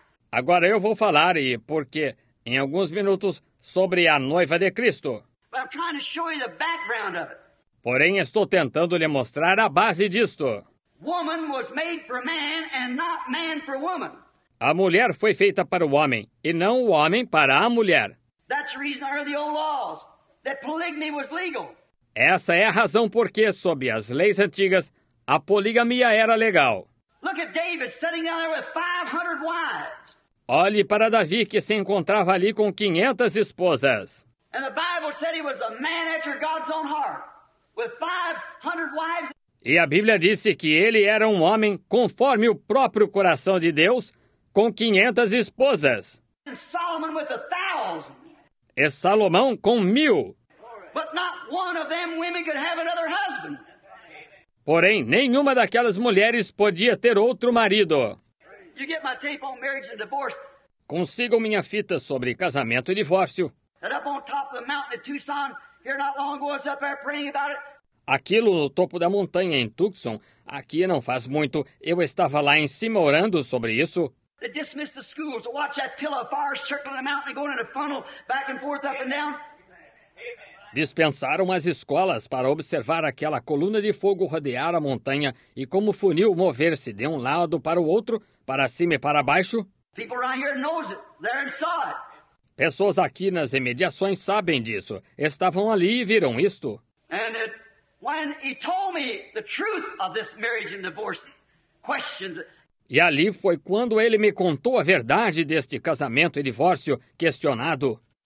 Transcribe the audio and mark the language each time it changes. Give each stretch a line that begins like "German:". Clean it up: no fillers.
Portuguese: Agora eu vou falar e por quê em alguns minutos sobre a noiva de Cristo.
English: But I'm trying to show you the background of it.
Portuguese: Porém, estou tentando lhe mostrar a base disto.
English: Woman was made for man and not man for woman.
Portuguese: A mulher foi feita para o homem e não o homem para a mulher.
English: That's the reason under the old laws that polygamy was legal.
Portuguese: Essa é a razão porque, sob as leis antigas, a poligamia era legal.
English: Look at David sitting down there with 500 wives.
Portuguese: Olhe para Davi que se encontrava ali com 500 esposas.
English: And the Bible said he was a man after God's own heart, with 500 wives.
Portuguese: E a Bíblia disse que ele era um homem conforme o próprio coração de Deus, com 500 esposas.
English: And Solomon with 1,000.
Portuguese: E Salomão com 1,000.
English: But not one of them women could have another husband.
Portuguese: Porém, nenhuma daquelas mulheres podia ter outro marido.
English: You get my tape on marriage and divorce.
Portuguese: Consigo minha fita sobre casamento e divórcio.
English: And up on top of the mountain in Tucson, here not long ago, I was up there praying about it.
Portuguese: Aquilo no topo da montanha em Tucson, aqui não faz muito, eu estava lá em cima orando sobre isso.
English: They dismissed the schools to watch that pillar of fire circling the mountain and going in a funnel back and forth up and down.
Portuguese: Dispensaram as escolas para observar aquela coluna de fogo rodear a montanha e como funil mover-se de um lado para o outro, para cima e para baixo.
English: People around here knows it. They're inside.
Portuguese: Pessoas aqui nas imediações sabem disso. Estavam ali e viram isto.
English: And it, when he told me the truth of this marriage and divorce questions.
Portuguese: E ali foi quando ele me contou a verdade deste casamento e divórcio questionado.